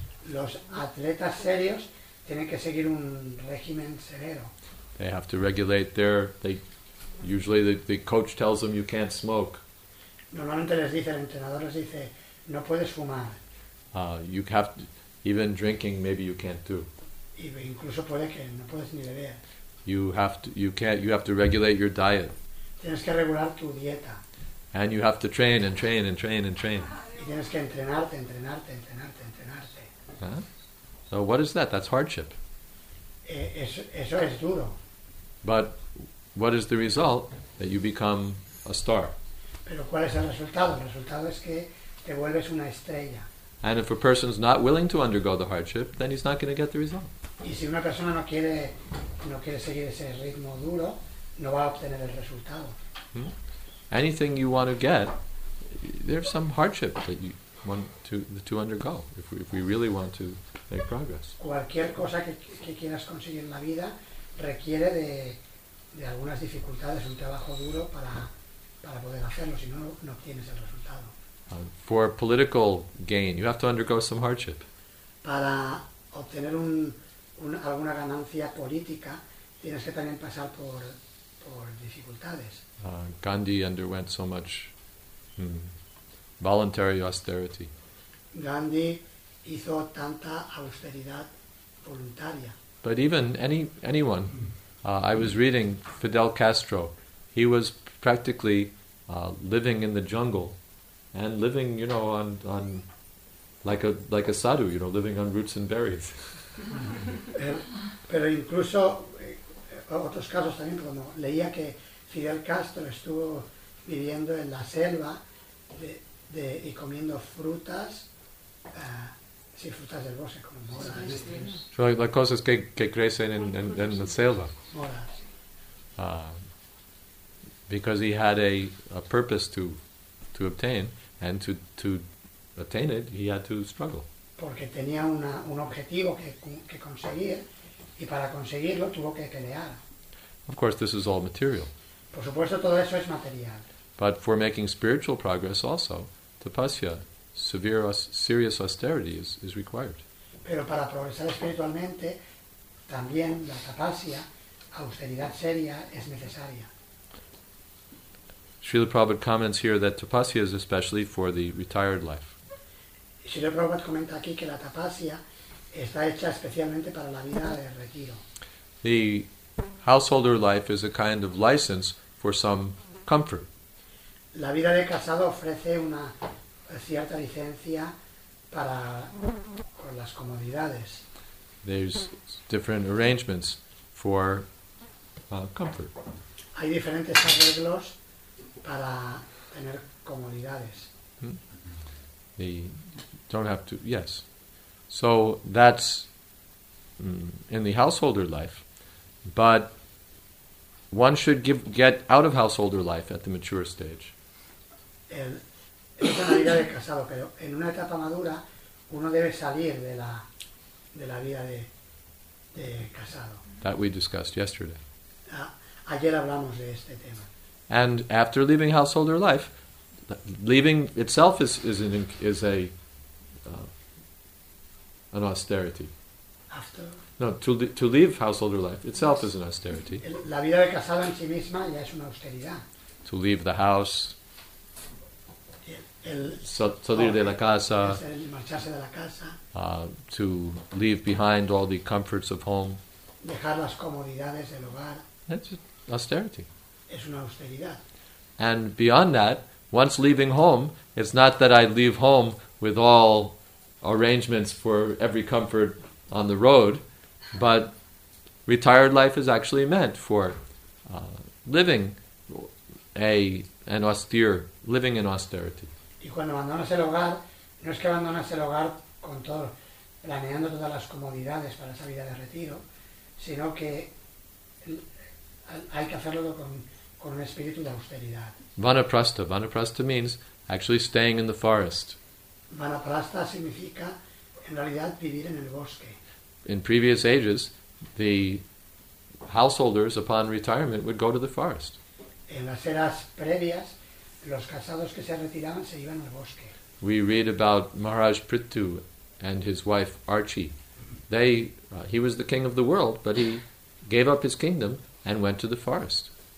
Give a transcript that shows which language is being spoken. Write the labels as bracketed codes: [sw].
[es] Los atletas serios tienen que seguir un régimen severo. [en] They have to regulate their. They usually the coach tells them you can't smoke. [es] Normalmente les dice el entrenador les dice no puedes fumar. [en] You have to, even drinking maybe you can't do. [es] Y incluso puede que no puedes ni beber. [en] You have to regulate your diet. [es] Tienes que regular tu dieta. [en] And you have to train and train and train and train. [es] Y tienes que entrenarte, entrenarte, entrenarte, entrenarte. Huh? [en] So what is that? That's hardship. [es] Eso es duro. [en] But what is the result? That you become a star. [es] Pero ¿cuál es el resultado? El resultado es que te vuelves una estrella. [en] And if a person is not willing to undergo the hardship, then he's not going to get the result. [es] Y si una persona no quiere seguir ese ritmo duro, no va a obtener el resultado. [en] Anything you want to get, there's some hardship that you want to undergo if we really want to make progress. [es] Cualquier cosa que quieras conseguir en la vida requiere de algunas dificultades, un trabajo duro para poder hacerlo, si no, no obtienes el resultado. [en] For political gain, you have to undergo some hardship. [es] Para obtener alguna ganancia política, tienes que también pasar por dificultades. [en] Gandhi underwent so much voluntary austerity. [es] Gandhi hizo tanta austeridad voluntaria. [en] But even anyone, I was reading Fidel Castro. He was practically living in the jungle and living, you know, on like a sadhu, you know, living on roots and berries. [es] Pero incluso otros casos también, como leía que Fidel Castro estuvo viviendo en la selva y comiendo frutas, sí, frutas del bosque, como moras. So las cosas que crecen en la selva. Moras. [en] Because he had a purpose to obtain, and to attain it, he had to struggle. [es] Porque tenía un objetivo que conseguir, y para conseguirlo tuvo que pelear. [en] Of course, this is all material. [es] Por supuesto, todo eso es material. [en] But for making spiritual progress also, tapasya, serious austerity is required. [es] Pero para progresar espiritualmente, también la tapasya, austeridad seria, es necesaria. [en] Srila Prabhupada comments here that tapasya is especially for the retired life. [es] Srila Prabhupada comenta aquí que la tapasya está hecha especialmente para la vida de retiro. [en] The householder life is a kind of license for some comfort. [es] La vida de casado ofrece una cierta licencia para con las comodidades. [en] There's different arrangements for comfort. [es] Hay diferentes arreglos para tener comodidades. [en] The don't have to, yes. So that's in the householder life, but one should get out of householder life at the mature stage. [es] Es una vida de casado, pero en una etapa madura uno debe salir de la vida de casado. [en] That we discussed yesterday. [es] Ayer hablamos de este tema. [en] And after leaving householder life, leaving itself is an austerity. After? No, to leave householder life itself is an austerity. [es] La vida de casado en sí misma ya es una austeridad. [en] To leave the house. [es] Salir de la casa. Marcharse de la casa. [en] To leave behind all the comforts of home. [es] Dejar las comodidades del hogar. [en] That's austerity. [es] Es una austeridad. [en] And beyond that, once leaving home, it's not that I leave home with all arrangements for every comfort on the road, but retired life is actually meant for living in austerity. [es] Y cuando abandonas el hogar, no es que abandonas el hogar con todo, planeando todas las comodidades para esa vida de retiro, sino que hay que hacerlo con un espíritu de austeridad. [en] Vanaprastha means actually staying in the forest. [es] Vanaprastha significa, en realidad, vivir en el bosque. [en] In previous ages, the householders, upon retirement, would go to the forest. [es] En las eras previas, los casados que se retiraban se iban al bosque. [en] We read about Maharaj Prithu and his wife Archie. He was the king of the world, but he gave up his kingdom and went to the forest.